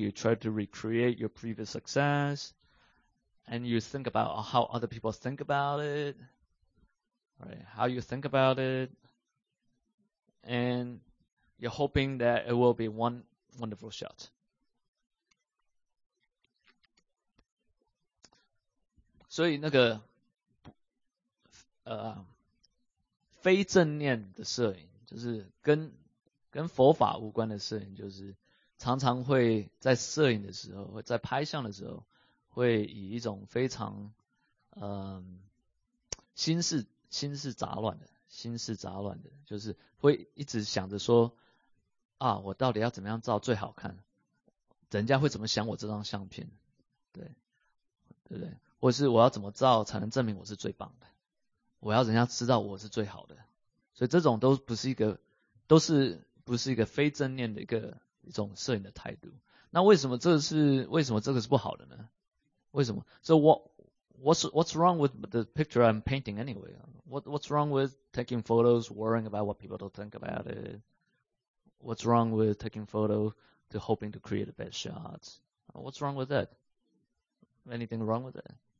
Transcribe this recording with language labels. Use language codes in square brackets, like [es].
[en] You try to recreate your previous success. And you think about how other people think about it. Right? How you think about it. And you're hoping that it will be one wonderful shot. [zh] 所以那个非正念的摄影，就是跟佛法无关的摄影，就是常常会在摄影的时候，会在拍相的时候，会以一种非常心事杂乱的，就是会一直想着说啊，我到底要怎么样照最好看？人家会怎么想我这张相片？对，对不对？或是我要怎么照才能证明我是最棒的？我要人家知道我是最好的，所以这种都不是一个，都是不是一个非正念的一种摄影的态度。那为什么这个是不好的呢？为什么？所以 [en] What's wrong with the picture I'm painting anyway? What's wrong with taking photos, worrying about what people don't think about it? What's wrong with taking photos to hoping to create a bad shot? What's wrong with that? Anything wrong with that?